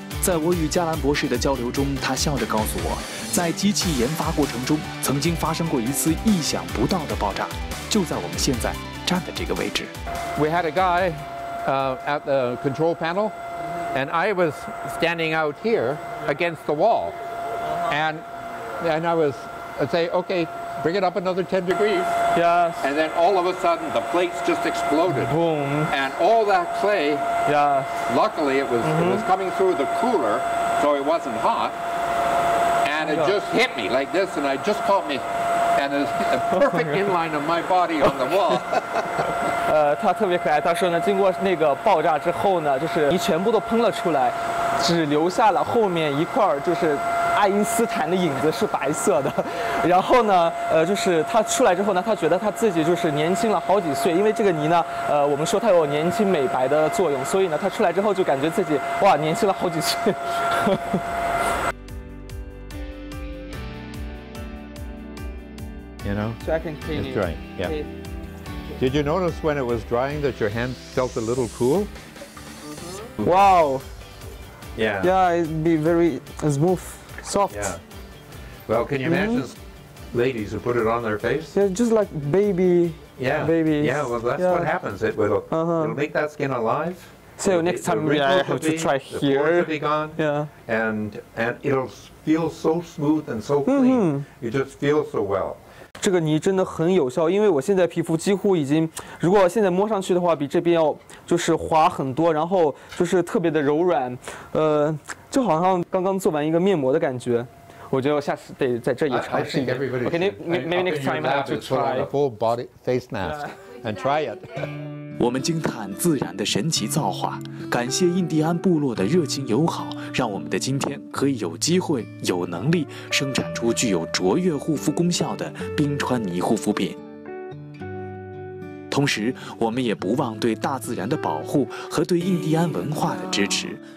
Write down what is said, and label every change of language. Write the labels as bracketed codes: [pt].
[zh] 在我与加兰博士的交流中，他笑着告诉我，在机器研发过程中曾经发生过一次意想不到的爆炸，就在我们现在站的这个位置。 [en] We had a guy at the control panel, and I was standing out here against the wall, and I was say, okay, bring it up another 10 degrees. Yes. And then all of a sudden the plates just exploded. Boom. And all that clay, yes. Luckily it was, it was coming through the cooler, so it wasn't hot. And it just hit me like this, and I just caught me. And it's a perfect inline of my body on the wall. [zh] 他特别可爱，他说呢，经过那个爆炸之后呢，就是你全部都喷了出来，只留下了后面一块就是爱因斯坦的影子是白色的，然后呢，就是他出来之后呢，他觉得他自己就是年轻了好几岁，因为这个泥呢，我们说它有年轻美白的作用，所以呢，他出来之后就感觉自己哇，年轻了好几岁。 [en] You know, so I can clean it. Drying. Yeah. Did you notice when it was drying that your hand felt a little cool? Mm-hmm. Wow. Yeah. Yeah, it'd be very smooth. Soft. Yeah. Well, can you imagine ladies who put it on their face? Yeah, just like baby. Yeah. Babies. Yeah, well, that's what happens. It will it'll make that skin alive. So it'll, next time we have to try here. The pores will be gone. Yeah. And it'll feel so smooth and so clean. Mm-hmm. You just feel so well. [zh] 这个泥真的很有效，因为我现在皮肤几乎已经，如果现在摸上去的话，比这边要就是滑很多，然后就是特别的柔软，就好像刚刚做完一个面膜的感觉。我觉得我下次得在这里尝试一下。 [en] Okay, maybe next time I have to try a full body face mask and try it. [zh] 我们惊叹自然的神奇造化，感谢印第安部落的热情友好，让我们的今天可以有机会、有能力生产出具有卓越护肤功效的冰川泥护肤品。同时，我们也不忘对大自然的保护和对印第安文化的支持。